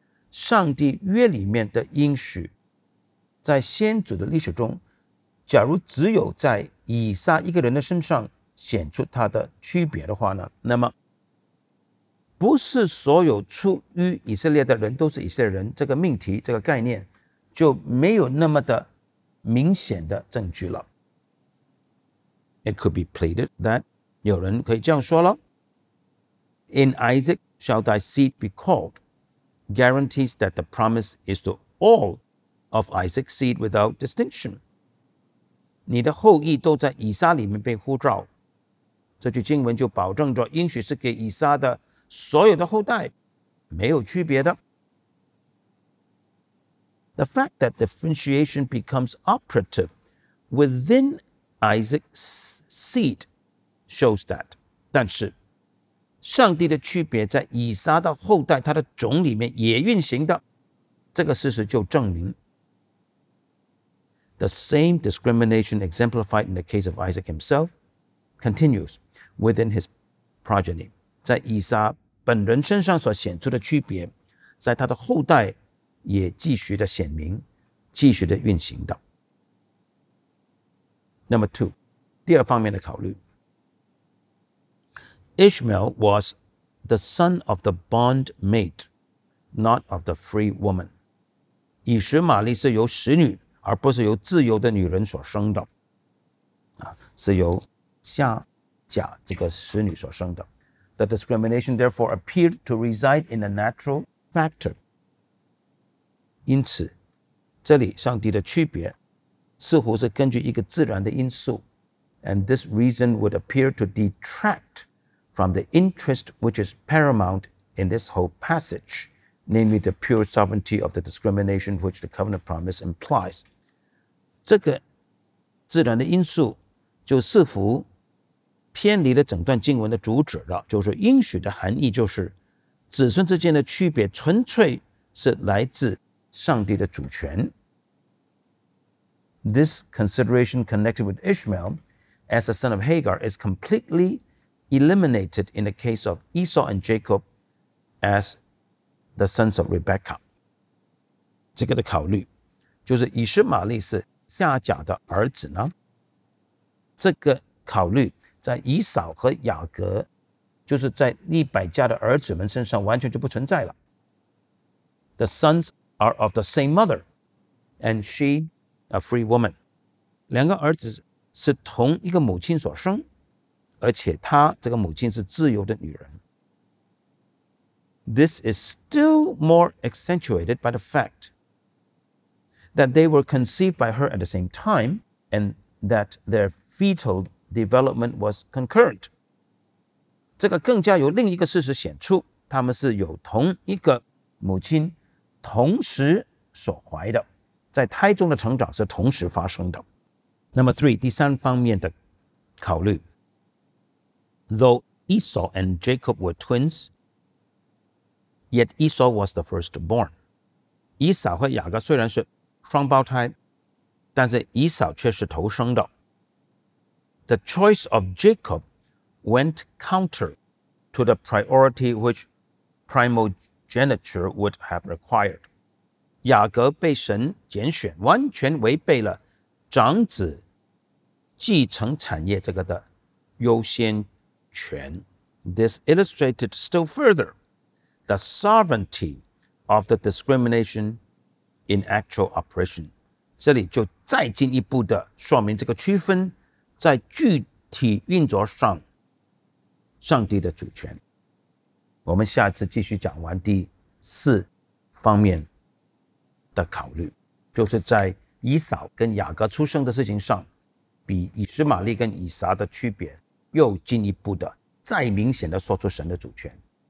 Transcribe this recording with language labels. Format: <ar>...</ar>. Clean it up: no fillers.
<zh>上帝约里面的应许在先祖的历史中，假如只有在以撒一个人的身上显出它的区别的话呢，那么不是所有出于以色列的人都是以色列人，这个命题这个概念就没有那么的明显的证据了。</zh> <en>It could be pleaded that</en> <zh>有人可以这样说了，</zh> <en>In Isaac shall thy seed be called guarantees that the promise is to all of Isaac's seed without distinction.</en> <zh>你的后裔都在以撒里面被呼召，这句经文就保证着应许是给以撒的所有的后代，没有区别的。</zh> <en>The fact that differentiation becomes operative within Isaac's seed shows that.</en> <zh>但是上帝的区别在以撒的后代他的种里面也运行的，这个事实就证明</zh> <en>The same discrimination exemplified in the case of Isaac himself continues within his progeny.</en> <zh>在以撒本人身上所显出的区别在他的后代也继续的显明，继续的运行的。</zh> <en>Number two,</en> <zh>第二方面的考虑。</zh> <en>Ishmael was the son of the bond maid, not of the free woman.</en> <zh>以实玛利是由使女，而不是由自由的女人所生的。是由夏甲这个使女所生的。</zh> <en>The discrimination therefore appeared to reside in a natural factor.</en> <zh>因此这里上帝的区别似乎是根据一个自然的因素</zh> <en>and this reason would appear to detract from the interest which is paramount in this whole passage, namely the pure sovereignty of the discrimination which the covenant promise implies.</en> <zh>这个自然的因素就似乎偏离了整段经文的主旨了，就是应许的含义就是子孙之间的区别纯粹是来自上帝的主权。</zh> <en>This consideration connected with Ishmael as the son of Hagar is completely eliminated in the case of Esau and Jacob as the sons of Rebekah.</en> <zh>这个的考虑就是以实玛利是夏甲的儿子呢，这个考虑在以扫和雅各就是在利百加的儿子们身上完全就不存在了。</zh> <en>The sons are of the same mother, and she a free woman.</en> <zh>两个儿子是同一个母亲所生，而且她这个母亲是自由的女人。</zh> <en>This is still more accentuated by the fact that they were conceived by her at the same time, and that their fetal development was concurrent.</en> <zh>这个更加由另一个事实显出，他们是有同一个母亲同时所怀的，在胎中的成长是同时发生的。</zh> <en>Number three,</en> <zh>第三方面的考虑。</zh> <en>Though Esau and Jacob were twins, yet Esau was the firstborn.</en> <zh>以扫和雅各虽然是双胞胎，但是以扫却是头生的。</zh> <en>The choice of Jacob went counter to the priority which primogeniture would have required.</en> <zh>雅各被神拣选，完全违背了长子继承产业这个的优先权。</zh> <en>This illustrated still further the sovereignty of the discrimination in actual operation.</en> <zh>这里就再进一步的说明这个区分在具体运作上上帝的主权。我们下次继续讲完第四方面的考虑，就是在以扫跟雅各出生的事情上，比以实玛利跟以撒的区别又进一步的再明显的说出神的主权。</zh>